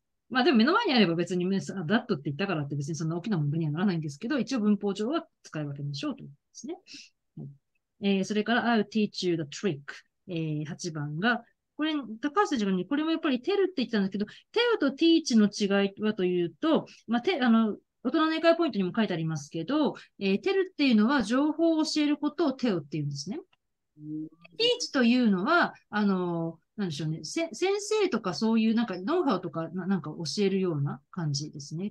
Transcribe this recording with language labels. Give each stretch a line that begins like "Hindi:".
Japanese: まあでも目の前にあれば別に、ね、ザットって言ったからって別にそんな大きな問題にはならないんですけど、一応文法上は使い分けましょうということですね。はい、それから、
English: I'll teach you the trick。
Japanese: 8番が、これ、高橋さんにこれもやっぱりテルって言ったんですけど、テルとティーチの違いはというと、まあ、大人の英会ポイントにも書いてありますけど、テルっていうのは情報を教えることをテルっていうんですね。ティーチというのは、なんでしょうね、先生とかそういうなんかノウハウとかなんか教えるような感じですね。